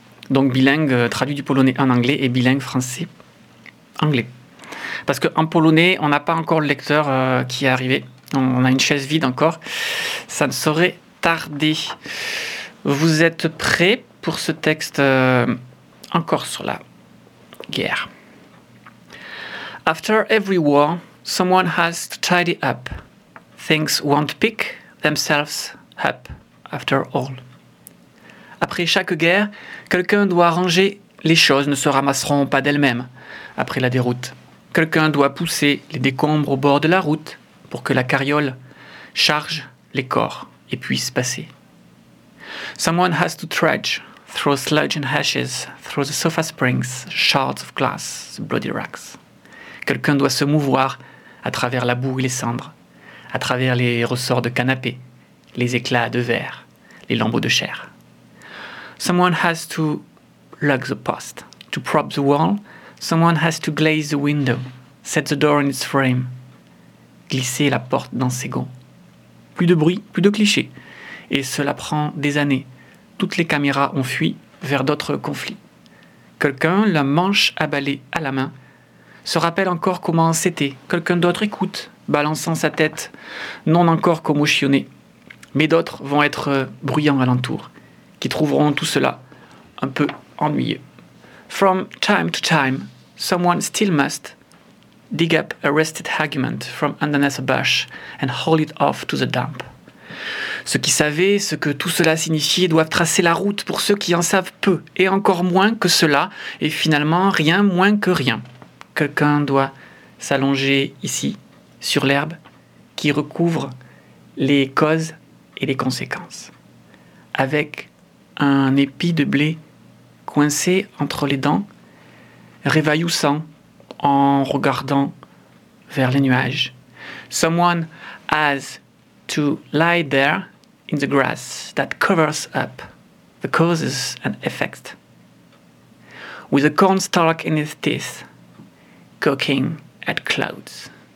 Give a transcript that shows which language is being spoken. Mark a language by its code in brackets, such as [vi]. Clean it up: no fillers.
[fr] Donc bilingue, traduit du polonais en anglais et bilingue français anglais. Parce qu'en polonais, on n'a pas encore le lecteur qui est arrivé. On a une chaise vide encore. Ça ne saurait tarder. Vous êtes prêts pour ce texte encore sur la guerre. [en] After every war, someone has to tidy up. Things won't pick themselves up after all. [fr] Après chaque guerre, quelqu'un doit ranger. Les choses ne se ramasseront pas d'elles-mêmes après la déroute. Quelqu'un doit pousser les décombres au bord de la route pour que la carriole charge les corps et puisse passer. [en] Someone has to trudge through sludge and ashes, through the sofa springs, shards of glass, the bloody rags. [fr] Quelqu'un doit se mouvoir à travers la boue et les cendres, à travers les ressorts de canapé, les éclats de verre, les lambeaux de chair. [en] Someone has to lug the post, to prop the wall. Someone has to glaze the window, set the door in its frame. [fr] Glisser la porte dans ses gonds. Plus de bruit, plus de clichés. Et cela prend des années. Toutes les caméras ont fui vers d'autres conflits. Quelqu'un, la manche à balai à la main, se rappelle encore comment c'était. Quelqu'un d'autre écoute, balançant sa tête, non encore comme au chionné. Mais d'autres vont être bruyants alentour. qui trouveront tout cela un peu ennuyeux. [en] From time to time, someone still must dig up a rusted argument from underneath a bush and haul it off to the dump. [fr] Ceux qui savaient ce que tout cela signifiait doivent tracer la route pour ceux qui en savent peu, et encore moins que cela, et finalement rien moins que rien. Quelqu'un doit s'allonger ici, sur l'herbe, qui recouvre les causes et les conséquences. Avec un épi de blé coincé entre les dents, réveillant en regardant vers les nuages. [en] Someone has to lie there in the grass that covers up the causes and effects. With a cornstalk in his teeth, cooking at clouds.